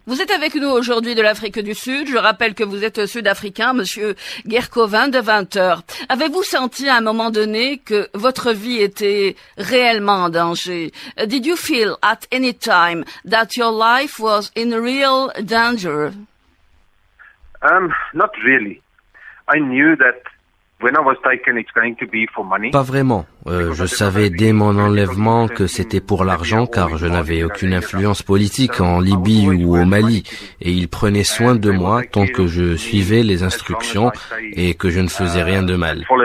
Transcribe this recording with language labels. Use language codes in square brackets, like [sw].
[fr] Vous êtes avec nous aujourd'hui de l'Afrique du Sud. Je rappelle que vous êtes sud-africain, monsieur Gerco van Deventer. Avez-vous senti à un moment donné que votre vie était réellement en danger? [en] Did you feel at any time that your life was in real danger? Not really. I knew that when I was taken, it's going to be for money. [fr] Pas vraiment. Je savais dès mon enlèvement que c'était pour l'argent car je n'avais aucune influence politique en Libye ou au Mali et ils prenaient soin de moi tant que je suivais les instructions et que je ne faisais rien de mal.